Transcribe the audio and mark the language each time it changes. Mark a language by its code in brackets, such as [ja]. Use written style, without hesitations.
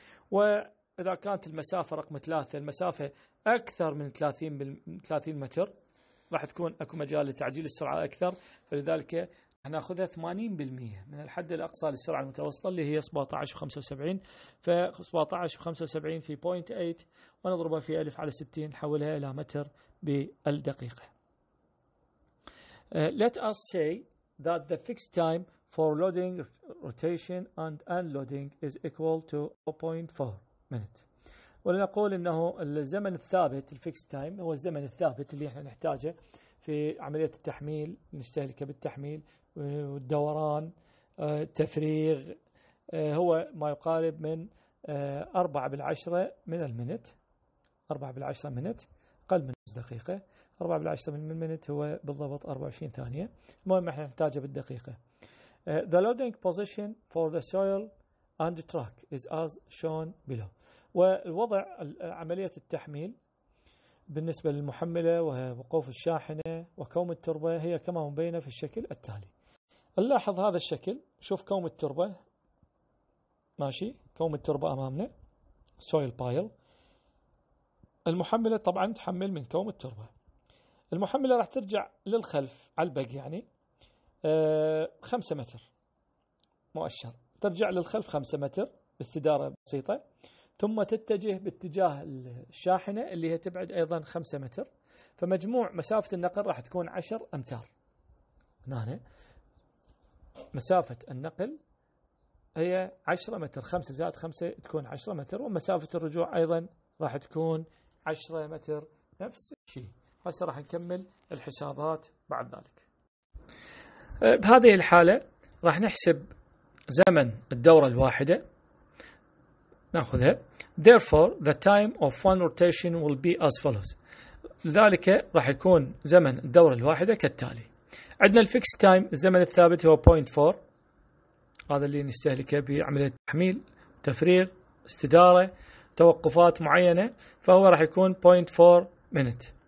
[ar] وإذا كانت المسافة رقم 3 المسافة أكثر من 30 متر راح تكون أكو مجال لتعجيل السرعة أكثر، فلذلك هناخذها 80% من الحد الأقصى للسرعة المتوسطة اللي هي 17.75، ف 17.75 في 0.8 ونضربها في ألف على 60 نحولها إلى متر بالدقيقة. [en] Let us say that the fixed time for loading, rotation and unloading is equal to 0.4 minute. [ar] ولنقول أنه الزمن الثابت الفيكس تايم هو الزمن الثابت اللي احنا نحتاجه في عملية التحميل، نستهلكه بالتحميل والدوران تفريغ، هو ما يقارب من 4/10 من المنت، 4/10 منت، أقل من دقيقة، 4/10 من المنت هو بالضبط 24 ثانية، المهم احنا نحتاجه بالدقيقة. [en] The loading position for the soil and the track is as shown below. [ar] والوضع عملية التحميل بالنسبة للمحملة ووقوف الشاحنة وكوم التربة هي كما مبينة في الشكل التالي. نلاحظ هذا الشكل، شوف كوم التربة، ماشي كوم التربة أمامنا soil pile، المحملة طبعا تحمل من كوم التربة، المحملة راح ترجع للخلف على البق يعني 5 متر، مؤشر ترجع للخلف 5 متر باستدارة بسيطة، ثم تتجه باتجاه الشاحنة اللي هي تبعد أيضا 5 متر، فمجموع مسافة النقل راح تكون 10 أمتار. هنا مسافة النقل هي 10 متر، 5 + 5 تكون 10 متر، ومسافة الرجوع أيضا راح تكون 10 متر نفس الشيء. هسا راح نكمل الحسابات بعد ذلك. بهذه الحالة راح نحسب زمن الدورة الواحدة نأخذها. [en] Therefore, the time of one rotation will be as follows. [ar] لذلك راح يكون زمن الدورة الواحدة كالتالي. عندنا الفيكس تايم، الزمن الثابت هو 0.4. هذا اللي نستهلكه بعملية تحميل، تفريغ، استدارة، توقفات معينة، فهو راح يكون 0.4 minute.